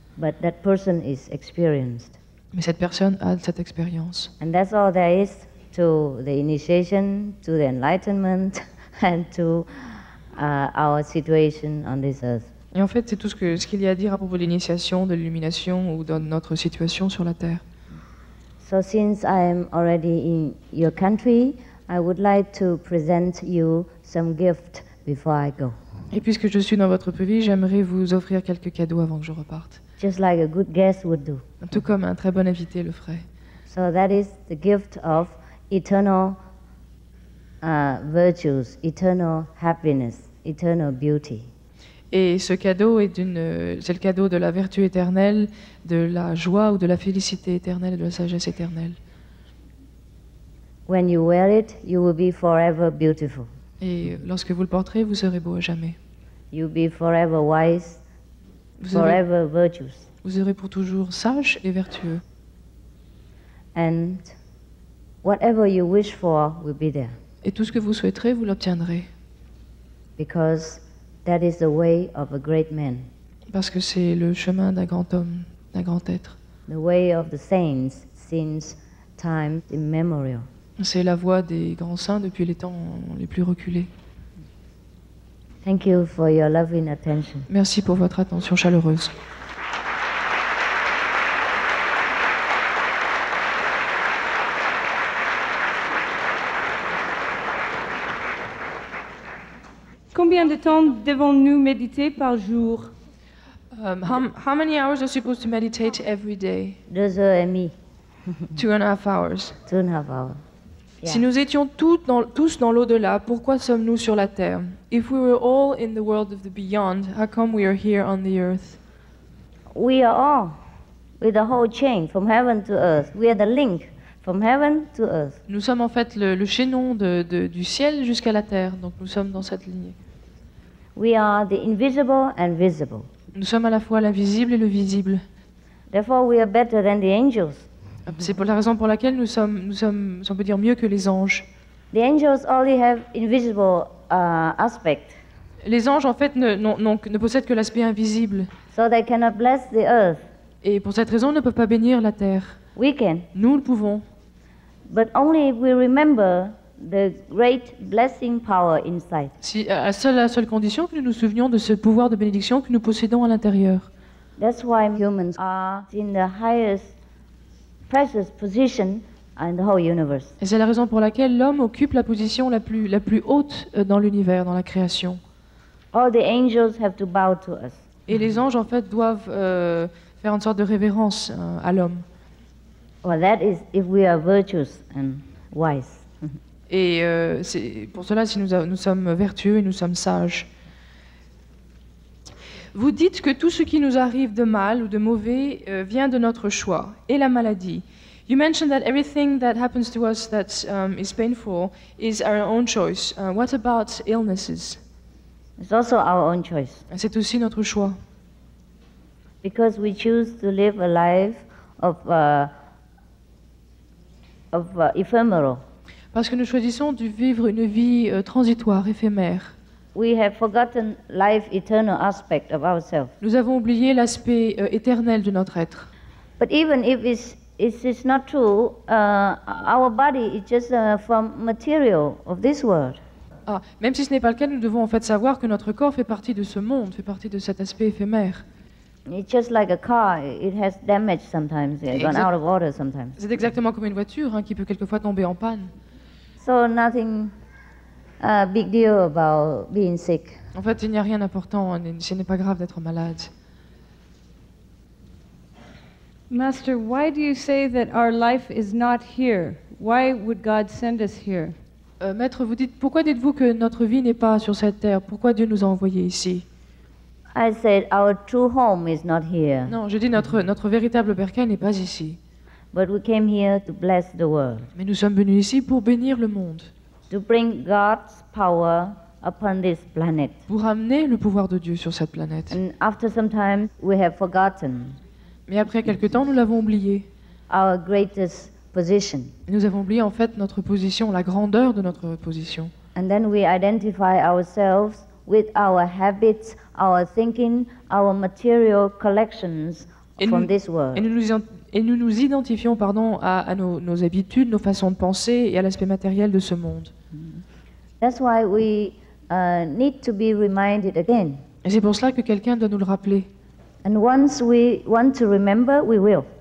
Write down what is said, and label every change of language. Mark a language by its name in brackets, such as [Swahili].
[English] But that person is experienced. [French] Mais cette personne a cette expérience. [English] And that's all there is to the initiation, to the enlightenment, and to our situation on this earth. [French] Et en fait, c'est tout ce qu'il y a à dire à propos de l'initiation, de l'illumination ou de notre situation sur la Terre. [English] So since I am already in your country, I would like to present you some gift before I go. [French] Et puisque je suis dans votre pays, j'aimerais vous offrir quelques cadeaux avant que je reparte. [English] Just like a good guest would do. [French] Tout comme un très bon invité le ferait. [English] So that is the gift of eternal virtues, eternal happiness, eternal beauty. [French] Et ce cadeau est c'est le cadeau de la vertu éternelle, de la joie ou de la félicité éternelle, de la sagesse éternelle. [English] When you wear it, you will be forever beautiful. [French] Et lorsque vous le porterez, vous serez beau à jamais. [English] You'll be forever wise, forever virtuous. [French] Vous serez pour toujours sage et vertueux. [English] And whatever you wish for will be there. [French] Et tout ce que vous souhaiterez, vous l'obtiendrez. [English] Because that is the way of a great man. [French] Parce que c'est le chemin d'un grand homme, d'un grand être. [English] The way of the saints since time immemorial. [French] C'est la voie des grands saints depuis les temps les plus reculés. [English] Thank you for your loving attention. [French] Merci pour votre attention chaleureuse. Combien de temps devons-nous méditer par jour? [English] How many hours are you supposed to meditate every day? [French] 2 heures et demie. [English] 2.5 hours. 2.5 hours. Yeah. [French] Si nous étions tous dans l'au-delà, pourquoi sommes-nous sur la terre? [English] If we were all in the world of the beyond, how come we are here on the earth? We are all with the whole chain from heaven to earth. We are the link from heaven to earth. [French] Nous sommes en fait le chaînon du ciel jusqu'à la terre, donc nous sommes dans cette lignée. [English] We are the invisible and visible. [French] Nous sommes à la fois l'invisible et le visible. [English] Therefore we are better than the angels. [French] C'est pour la raison pour laquelle nous sommes, on peut dire, mieux que les anges. [English] The angels only have invisible, aspect. [French] Les anges, en fait, ne possèdent que l'aspect invisible. [English] So they cannot bless the earth. [French] Et pour cette raison, ils ne peuvent pas bénir la terre. [English] We can. [French] Nous le pouvons. [English] But only if we remember the great blessing power inside. [French] Si, à la seule condition que nous nous souvenions de ce pouvoir de bénédiction que nous possédons à l'intérieur. [English] That's why humans are in the highest precious position in the whole universe. [French] Et c'est la raison pour laquelle l'homme occupe la position la plus haute dans l'univers, dans la création. [English] All the angels have to bow to us. [French] Et les anges, en fait, doivent faire une sorte de révérence à l'homme. [English] Well, that is if we are virtuous and wise. [French] Et c'est pour cela si nous sommes vertueux et nous sommes sages. Vous dites que tout ce qui nous arrive de mal ou de mauvais vient de notre choix et la maladie. [English] You mentioned that everything that happens to us that is painful is our own choice. What about illnesses? It's also our own choice. [French] C'est aussi notre choix. [English] Because we choose to live a life of ephemeral. [French] Parce que nous choisissons de vivre une vie transitoire, éphémère. [English] We have forgotten life eternal aspect of ourselves. [French] Nous avons oublié l'aspect éternel de notre être. [English] But even if it's not true, our body is just from material of this world. [French] Ah, même si ce n'est pas le cas, nous devons en fait savoir que notre corps fait partie de ce monde, fait partie de cet aspect éphémère. [English] It's just like a car, it has damage sometimes, it's gone out of order sometimes. [French] C'est exactement comme une voiture qui peut quelquefois tomber en panne. [English] So nothing big deal about being sick. [French] En fait, il n'y a rien d'important, ce n'est pas grave d'être malade. [English] Master, why do you say that our life is not here? Why would God send us here? [French] Maître, vous dites, pourquoi dites-vous que notre vie n'est pas sur cette terre? Pourquoi Dieu nous a envoyés ici? [English] I said our true home is not here. [French] Non, je dis notre véritable bercail n'est pas ici. [English] But we came here to bless the world. [French] Mais nous sommes venus ici pour bénir le monde. [English] To bring God's power upon this planet. [French] Pour amener le pouvoir de Dieu sur cette planète. [English] And after some time, we have forgotten. [French] Mais après quelque temps, nous l'avons oublié. [English] Our greatest position. [French] Nous avons oublié en fait notre position, la grandeur de notre position. [English] And then we identify ourselves with our habits, our thinking, our material collections from this world. [French] Et nous nous identifions, à nos habitudes, nos façons de penser et à l'aspect matériel de ce monde. [English] That's why we need to be reminded again. [French] Et c'est pour cela que quelqu'un doit nous le rappeler. [English] And once we want to remember, we will.